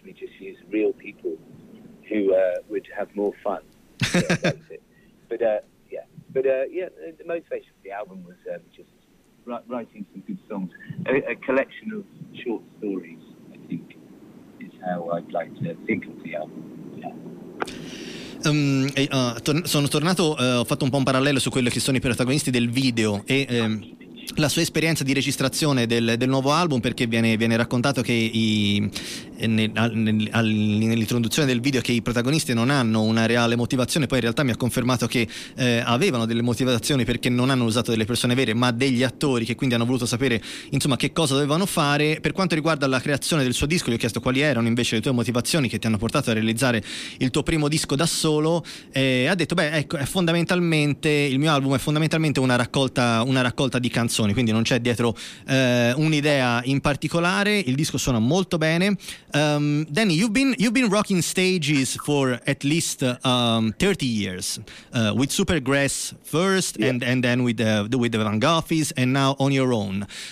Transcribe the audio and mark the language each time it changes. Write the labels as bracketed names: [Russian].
[English] We just used real people who would have more fun. The motivation of the album was just writing some good songs. A collection of short stories, I think, is how I'd like to think of the album. [Italian] Ho fatto un po' un parallelo su quello che sono i protagonisti del video e la sua esperienza di registrazione del nuovo album, perché viene raccontato che nell'introduzione del video che i protagonisti non hanno una reale motivazione. Poi in realtà mi ha confermato che avevano delle motivazioni, perché non hanno usato delle persone vere ma degli attori, che quindi hanno voluto sapere, insomma, che cosa dovevano fare. Per quanto riguarda la creazione del suo disco, gli ho chiesto quali erano invece le tue motivazioni che ti hanno portato a realizzare il tuo primo disco da solo, e ha detto, beh, ecco, il mio album è fondamentalmente una raccolta di canzoni, quindi non c'è dietro un'idea in particolare. Il disco suona molto bene. [English] Danny, you've been rocking stages for at least 30 years with Supergrass first, and then with the Van Gaffies, and now on your own.